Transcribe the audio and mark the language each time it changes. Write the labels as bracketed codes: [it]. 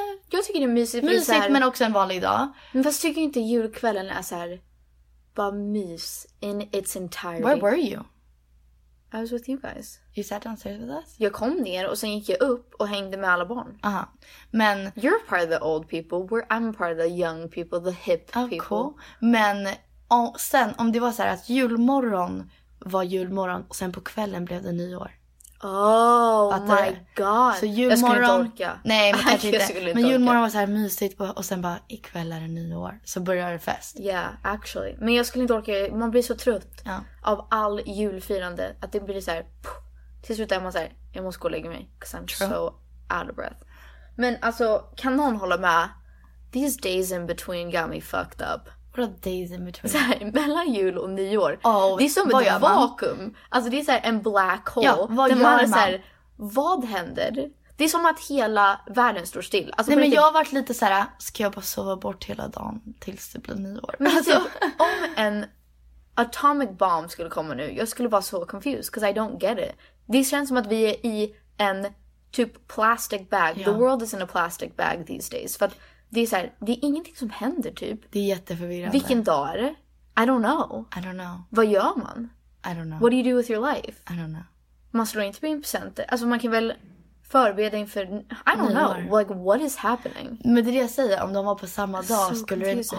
[sv] Jag tycker det är mysigt. Mysigt, är här... men också en vanlig dag. Men fast tycker inte julkvällen är så här bara mys [en] in its entirety. Where were you? I was with you guys. You sat downstairs with us? [sv] Jag kom ner och sen gick jag upp och hängde med alla barn. Aha. Men... [en] You're part of the old people. I'm part of the young people, the hip people. Cool. [sv] Men och sen, om det var så här att julmorgon var julmorgon och sen på kvällen blev det nyår. [en] Oh att my god. [sv] Så julmorgon, nej, men kanske inte. Men julmorgon var så här mysigt och sen bara ikväll är det nyår så börjar det fest. [en] Yeah, actually. [sv] Men jag skulle inte orka. Man blir så trött av all julfirande att det blir så här till slut är man så här, jag måste gå och lägga mig [en] cuz I'm so out of breath. [sv] Men alltså kan någon hålla med? [en] These days in between got me fucked up. What are days in between? [sv] Så här, mellan jul och nyår. Oh, det är som ett vakuum. Alltså det är så här en black hole. Ja, vad gör man? Så här, vad händer? Det är som att hela världen står still. Alltså, nej, men jag har varit lite så här, ska jag bara sova bort hela dagen tills det blir nyår? Men alltså, om en atomic bomb skulle komma nu, jag skulle vara så confused, [en] because I don't get it. [sv] Det känns som att vi är i en typ plastic bag. [en] Ja. The world is in a plastic bag these days. [sv] För att det är så här, det är ingenting som händer typ. Det är jätteförvirrande. Vilken dag är det? [en] I don't know. I don't know. [sv] Vad gör man? [en] I don't know. What do you do with your life? I don't know. [sv] Man slår inte in presenter. Alltså man kan väl förbereda inför, [en] I don't know. Like what is happening? [sv] Men det är det jag säger, om de var på samma dag so skulle confusing.